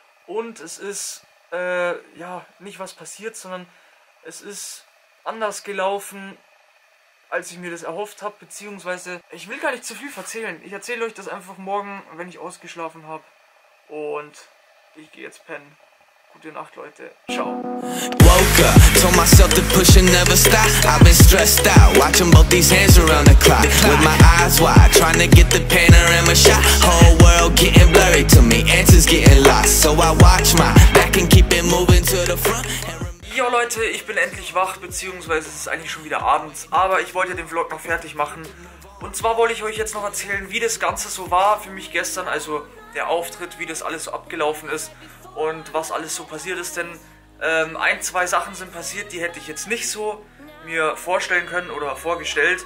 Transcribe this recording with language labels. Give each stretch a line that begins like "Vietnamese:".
German: Und es ist, nicht was passiert, sondern es ist anders gelaufen, als ich mir das erhofft habe. Beziehungsweise, ich will gar nicht zu viel erzählen. Ich erzähle euch das einfach morgen, wenn ich ausgeschlafen habe. Und ich gehe jetzt pennen. Gute Nacht, Leute. Ciao.
English: Woke up, told myself to push and never stop. I've been stressed out, watching both these hands around the clock. With my eyes wide, trying to get the panorama shot. Whole world getting blurry to me, answers getting lost. So I watch my back and keep it moving to the front.
German: Yo Leute, ich bin endlich wach, beziehungsweise es ist eigentlich schon wieder abends. Aber ich wollte den Vlog noch fertig machen. Und zwar wollte ich euch jetzt noch erzählen, wie das Ganze so war für mich gestern. Also der Auftritt, wie das alles so abgelaufen ist. Und was alles so passiert ist, denn ein, zwei Sachen sind passiert, die hätte ich jetzt nicht so mir vorstellen können oder vorgestellt.